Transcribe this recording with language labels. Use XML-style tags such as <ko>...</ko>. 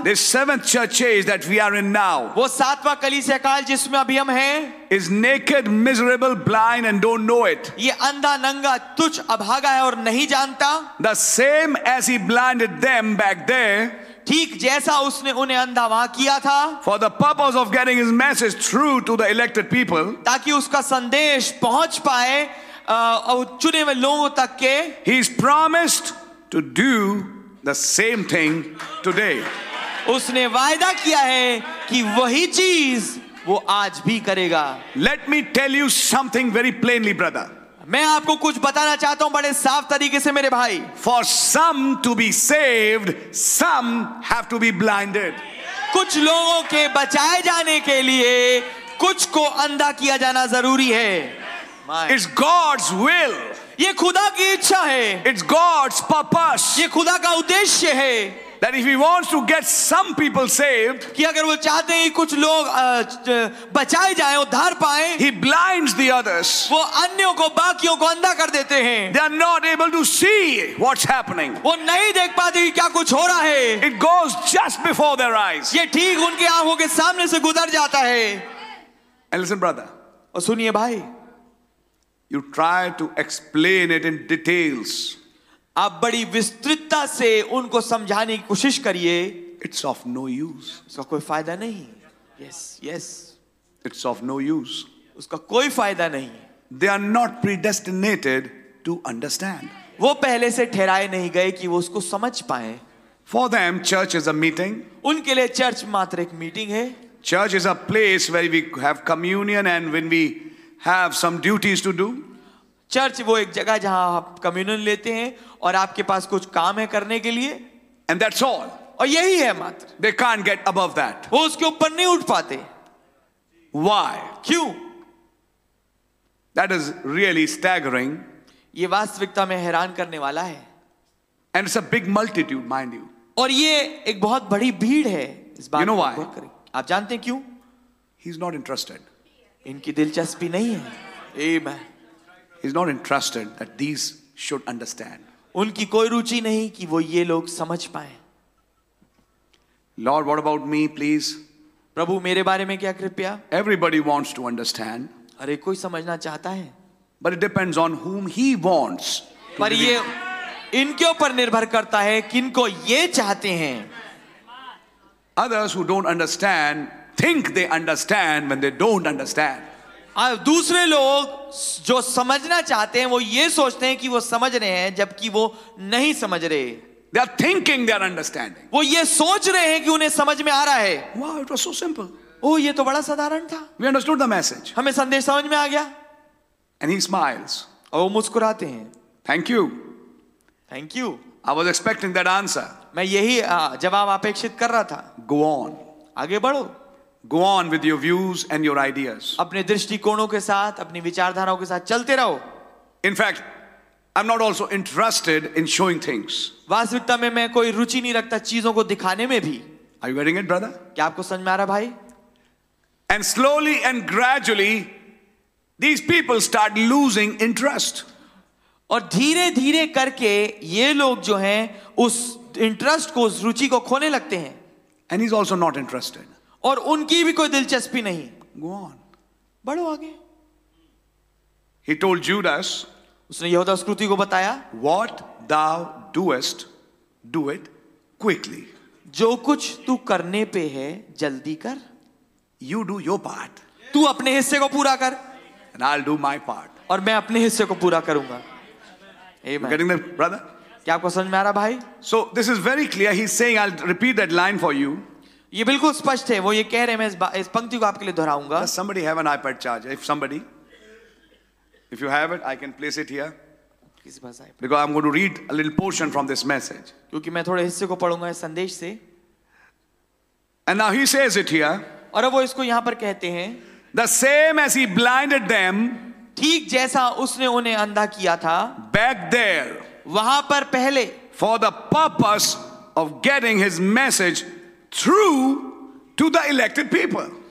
<en>The seventh church age that we are in now.</en> <hi>वो सातवां कलीसिया काल जिसमें अभी हम हैं</hi> <en>Is naked, miserable, blind and don't know it.</en> <hi>ये अंधा नंगा तुच्छ अभागा है और नहीं जानता</hi> <en>The same as he blinded them back there.</en> <hi>ठीक जैसा उसने उन्हें अंधा वहां किया था</hi> <en>For the purpose of getting his message through to the elected people.</en> <hi>ताकि उसका संदेश पहुंच पाए चुने हुए लोगों तक के</hi> <en>He is promised to do the same thing today.</en> <hi>उसने वायदा किया है कि वही चीज वो आज भी करेगा</hi> <en>Let me tell you something very plainly, brother.</en> <hi>मैं आपको कुछ बताना चाहता हूं बड़े साफ तरीके से मेरे भाई</hi> <en>For some to be saved, some have to be blinded.</en> <hi>कुछ लोगों के बचाए जाने के लिए कुछ को अंधा किया जाना जरूरी है</hi> <en>It's God's will.</en> <hi>ये खुदा की इच्छा है.</hi> <en>It's God's purpose.</en> <hi>ये खुदा का उद्देश्य है.</hi> <en>That if he wants to get some people saved,</en> <hi>कि अगर वो चाहते हैं कुछ लोग बचाए जाएं, उद्धार पाएं,</hi> <en>he blinds the others.</en> <hi>वो अन्यों को, बाकियों को अंधा कर देते हैं.</hi> <en>They are not able to see what's happening.</en> <hi>वो नहीं देख पाते कि क्या कुछ हो रहा है.</hi> <en>It goes just before their eyes.</en> <hi>ये ठीक उनके आंखों के सामने से गुजर जाता है.</hi> <en>And listen, brother.</en> <hi>और सुनिए भाई.</hi> <en>You try to explain it in details.</en> <hi>आप बड़ी विस्तृतता से उनको समझाने की कोशिश करिए.</hi> <en>It's of no use.</en> <hi>उसका कोई फायदा नहीं.</hi> <en>Yes yes. It's of no use.</en> <hi>उसका कोई फायदा नहीं.</hi> <en>They are not predestinated to understand.</en> <hi>वो पहले से ठहराए नहीं गए कि वो उसको समझ पाए.</hi> <en>For them church is a meeting.</en> <hi>उनके लिए चर्च मात्र एक मीटिंग है.</hi> <en>Church is a place where we have communion and when we have some duties to do.</en> <hi>Church वो एक जगह जहां आप कम्युनियन लेते हैं और आपके पास कुछ काम है करने के लिए.</hi> <en>And that's all.</en> <hi>और यही है मात्र.</hi> <en>They can't get above that.</en> <hi>वो उसके ऊपर नहीं उठ पाते.</hi> <en>Why?</en> <hi>क्यों?</hi> <en>That is really staggering.</en> <hi>ये वास्तविकता में हैरान करने वाला है.</hi> <en>And it's a big multitude, mind you.</en> <hi>और ये एक बहुत बड़ी भीड़ है इस बात.</hi> <en>You know why?</en> <hi>आप जानते हैं क्यों?</hi> <en>He's not interested.</en> <hi>इनकी दिलचस्पी नहीं है. Amen.</hi> <en>He's not interested that these should understand.</en> <hi>उनकी कोई रुचि नहीं कि वो ये लोग समझ पाएं.</hi> <en>Lord, what about me, please?</en> <hi>प्रभु मेरे बारे में क्या कृपया?</hi> <en>Everybody wants to understand.</en> <hi>अरे कोई समझना चाहता है.</hi> <en>But it depends on whom he wants.</en> <hi>पर ये इनके ऊपर निर्भर करता है किनको ये चाहते हैं.</hi> <en>Others who don't understand think they understand when they don't understand.</en> <hi>दूसरे लोग जो समझना चाहते हैं वो ये सोचते हैं कि वो समझ रहे हैं जबकि वो नहीं समझ रहे.</hi> <en>They are thinking, they are understanding.</en> <hi>वो ये सोच रहे हैं कि उन्हें समझ में आ रहा है.</hi> <en>Wow, it was so simple.</en> <hi>Oh, ये तो बड़ा साधारण था.</hi> <en>We understood the message.</en> <hi>हमें संदेश समझ में आ गया.</hi> <en>And he smiles.</en> <hi>और वो मुस्कुराते हैं.</hi> <en>Thank you. Thank you. I was expecting that answer.</en> <hi>मैं यही जवाब अपेक्षित कर रहा था.</hi> <en>Go on.</en> <hi>आगे बढ़ो.</hi> <en>Go on with your views and your ideas.</en> <hi>अपने दृष्टिकोणों के साथ, अपनी विचारधाराओं के साथ चलते रहो.</hi> <en>In fact, I'm not also interested in showing things.</en> <hi>वास्तविकता में मैं कोई रुचि नहीं रखता चीजों को दिखाने में भी.</hi> <en>Are you getting it, brother?</en> <hi>क्या आपको समझ में आ रहा भाई?</hi> <en>And slowly and gradually, these people start losing interest.</en> <hi>और धीरे धीरे करके ये लोग जो हैं उस इंटरेस्ट को, उस रुचि को खोने लगते हैं.</hi> <en>And he's also not interested.</en> <hi>और उनकी भी कोई दिलचस्पी नहीं.</hi> <en>Go on.</en> <hi>बढ़ो आगे.</hi> <en>He told Judas,</en> <hi>उसने यहूदा इस्करियोती को बताया,</hi> <en>What thou doest, do it quickly.</en> <hi>जो कुछ तू करने पे है जल्दी कर.</hi> <en>You do your part.</en> <hi>तू अपने हिस्से को पूरा कर.</hi> <en>And I'll do my part.</en> <hi>और मैं अपने हिस्से को पूरा करूंगा.</hi> <en>You getting that, brother?</en> <hi>क्या आपको समझ में आ रहा भाई?</hi> <en>So this is very clear. He's saying, I'll repeat that line for you.</en> <hi>ये बिल्कुल स्पष्ट है. वो ये कह रहे हैं, मैं इस पंक्ति को आपके लिए दोहराऊंगा.</hi> <en>Does somebody have an iPad charger? If somebody, if you have it, I can place it here.</en> <hi>किसी पास iPad?</hi> <en>Because I'm going to read a little portion from this message.</en> <hi>क्योंकि मैं थोड़े हिस्से को पढ़ूंगा इस संदेश से.</hi> <en>And now he says it here.</en> <hi>और अब वो इसको यहाँ पर कहते हैं.</hi> <en>The same as he blinded them.</en> <hi>ठीक जैसा उसने उन्हें अंधा किया था.</hi> <en>Back there.</en> <hi>वहाँ पर पहले.</hi> <en>For the purpose of getting his message. True to the elected people.</en>